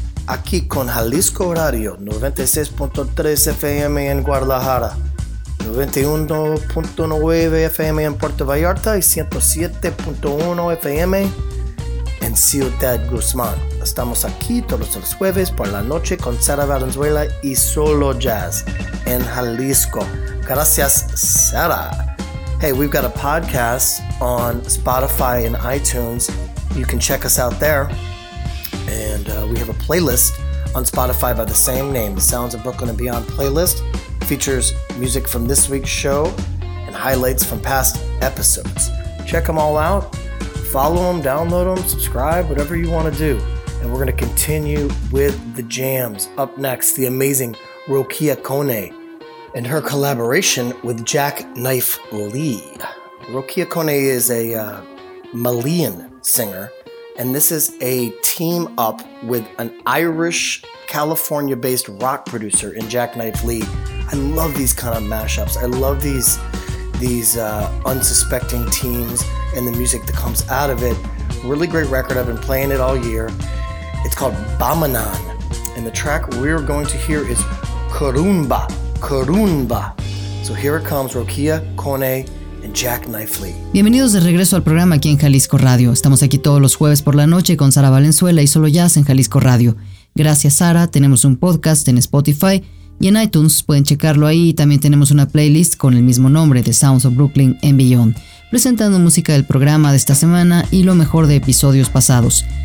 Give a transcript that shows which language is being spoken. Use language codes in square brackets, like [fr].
[es] Aquí con Jalisco Radio, 96.3 FM en Guadalajara, 91.9 FM en Puerto Vallarta y 107.1 FM en Ciudad Guzmán. Estamos aquí todos los jueves por la noche con Sara Valenzuela y Solo Jazz en Jalisco. Gracias, Sara. [en] Hey, we've got a podcast on Spotify and iTunes. You can check us out there. And we have a playlist on Spotify by the same name, the Sounds of Brooklyn and Beyond playlist. Features music from this week's show and highlights from past episodes. Check them all out. Follow them, download them, subscribe, whatever you want to do. And we're going to continue with the jams. Up next, the amazing Rokia Kone and her collaboration with Jack Knife Lee. Rokia Kone is a Malian singer, and this is a team up with an Irish California-based rock producer in Jack Knife Lee. I love these kind of mashups. I love these unsuspecting teams and the music that comes out of it. Really great record. I've been playing it all year. It's called Bamanan. And the track we're going to hear is Kurumba. Kurumba. So here it comes, Rokia Kone and Jack Knife Lee. [es] Bienvenidos de regreso al programa aquí en Jalisco Radio. Estamos aquí todos los jueves por la noche con Sara Valenzuela y Solo Jazz en Jalisco Radio. Gracias, Sara. Tenemos un podcast en Spotify y en iTunes. Pueden checarlo ahí. También tenemos una playlist con el mismo nombre, The Sounds of Brooklyn and Beyond, presentando música del programa de esta semana y lo mejor de episodios pasados.